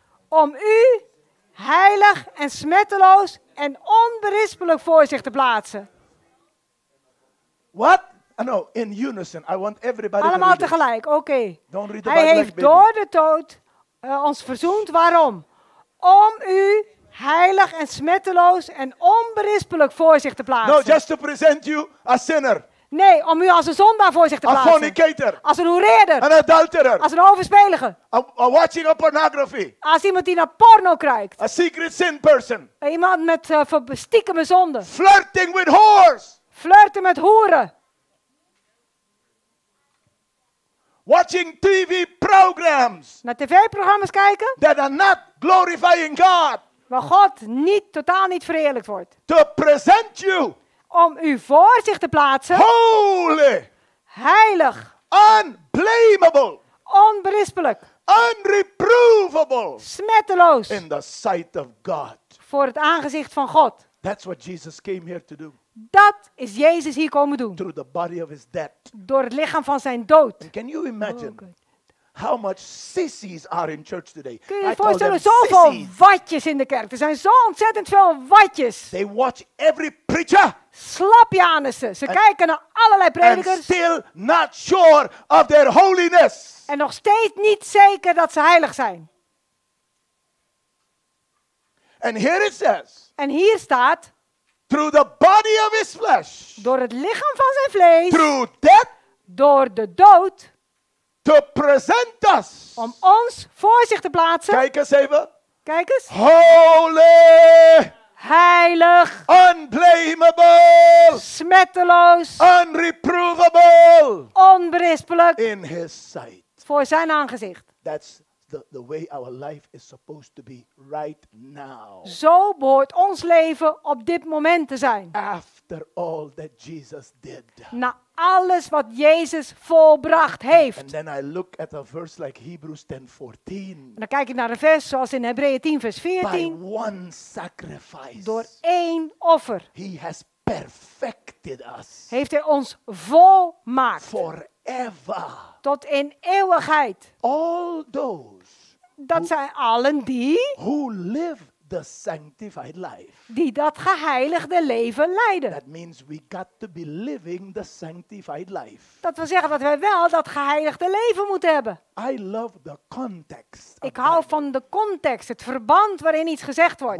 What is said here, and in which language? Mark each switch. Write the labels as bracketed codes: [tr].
[nl] Om u heilig en smetteloos en onberispelijk voor zich te plaatsen. [en] What? No, in unison. I want everybody [nl] allemaal [en] to read [nl] tegelijk, oké. [en] Okay. [nl] Hij heeft door de dood ons verzoend. Waarom? Om u heilig en smetteloos en onberispelijk voor zich te plaatsen. [en] No, just to present you a sinner. [nl] Nee, om u als een zondaar voor zich te plaatsen. [en] A fornicator. [nl] Als een hoereerder. [en] An adulterer. [nl] Als een overspelige. [en] A watching a pornography. [nl] Als iemand die naar porno kijkt. [en] A secret sin person. [nl] Iemand met stiekeme zonden. [en] Flirting with whores. [nl] Flirten met hoeren. [en] Watching TV programs. [nl] Naar tv-programma's kijken. [en] That are not glorifying God. [nl] Waar God niet, totaal niet verheerlijkt wordt. [en] To present you. [nl] Om u voor zich te plaatsen. [en] Holy. [nl] Heilig. [en] Unblameable. [nl] Onberispelijk. [en] Unreprovable. [nl] Smetteloos. [en] In the sight of God. [nl] Voor het aangezicht van God. [en] That's what Jesus came here to do. [nl] Dat is Jezus hier komen doen. [en] Through the body of his death. [nl] Door het lichaam van zijn dood. [en] And can you imagine? How much sissies are in church today? [nl] Kun je je voorstellen, zoveel watjes in de kerk. Er zijn zo ontzettend veel watjes. [en] They watch every preacher. [nl] Slapjanissen. Ze kijken naar allerlei predikers. [en] And still not sure of their holiness. [nl] En nog steeds niet zeker dat ze heilig zijn. [en] And here it says. [nl] En hier staat. [en] Through the body of his flesh. [nl] Door het lichaam van zijn vlees. [en] Through death. [nl] Door de dood. [en] To present us. [nl] Om ons voor zich te plaatsen. Kijk eens even. Kijk eens. [en] Holy. [nl] Heilig. [en] Unblameable. [nl] Smetteloos. [en] Unreprovable. [nl] Onberispelijk. [en] In his sight. [nl] Voor zijn aangezicht. [en] That's the way our life is supposed to be right now. [nl] Zo behoort ons leven op dit moment te zijn. [en] After all that Jesus did. [nl] Na alles wat Jezus volbracht heeft. [en] And then I look at a verse like Hebrews 10:14. [nl] En dan kijk ik naar een vers zoals in Hebreeën 10 vers 14. [en] By one sacrifice. [nl] Door één offer. [en] He has perfected us. [nl] Heeft hij ons volmaakt. [en] Forever. [nl] Tot in eeuwigheid. [en] All those. [nl] Dat zijn allen die. [en] Who live the sanctified life. [nl] Die dat geheiligde leven leiden. [en] That means we got to be living the sanctified life. [nl] Dat wil zeggen dat wij wel dat geheiligde leven moeten hebben. [en] I love the context. [nl] Ik hou van de context, het verband waarin iets gezegd wordt.